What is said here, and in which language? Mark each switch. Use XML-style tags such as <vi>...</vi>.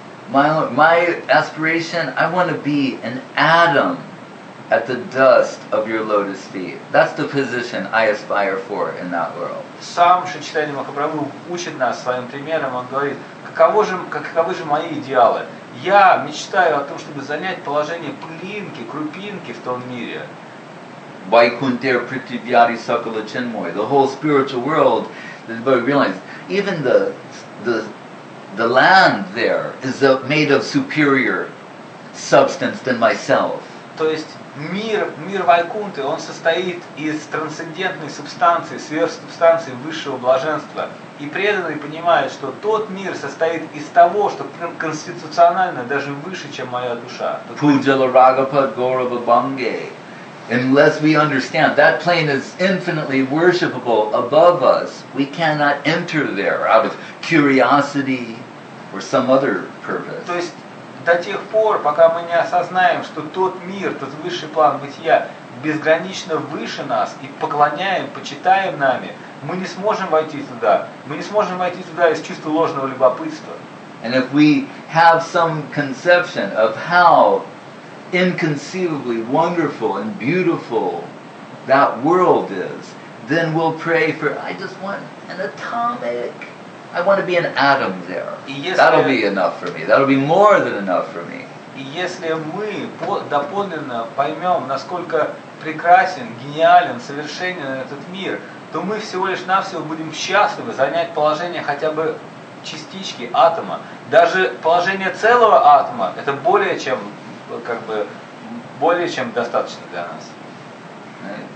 <en>My aspiration, I want to be an atom at the dust of your lotus feet. That's the position I aspire for in that world.</en> <ru>Сам Шри Чайтанья Махапрабху учит нас своим примером. Он говорит, каковы же мои идеалы? Я мечтаю о том, чтобы занять положение пылинки, крупинки в том мире.</ru> <bn>Vaikunthir prithivyari sakala chinmoy.</bn> <en>The whole spiritual world, the devotee realized, even the land there is made of superior substance than myself.</en> <ru>То есть мир Вайкунты, он состоит из трансцендентной субстанции, сверхсубстанции высшего блаженства. И преданный понимает, что тот мир состоит из того, что конституционально даже выше, чем моя душа.</ru> <bn>Пуджала Рагапад Гаурава Бангей.</bn> <en>Unless we understand that plane is infinitely worshipable above us, we cannot enter there out of curiosity or some other purpose.</en> <ru>То есть до тех пор, пока мы не осознаем, что тот мир, тот высший план бытия безгранично выше нас и поклоняем, почитаем нами, мы не сможем войти туда. Мы не сможем войти туда из чувства ложного любопытства.</ru> <en>And if we have some conception of how inconceivably wonderful and beautiful that world is, then we'll pray for, I just want an atomic, I want to be an atom there. That'll be enough for me. That'll be more than enough for me.</en> <ru>И если мы доподлинно поймем, насколько прекрасен, гениален, совершенен этот мир, то мы всего лишь навсего будем счастливы занять положение хотя бы частички атома. Даже положение целого атома, это более чем как бы более чем достаточно для нас.</ru>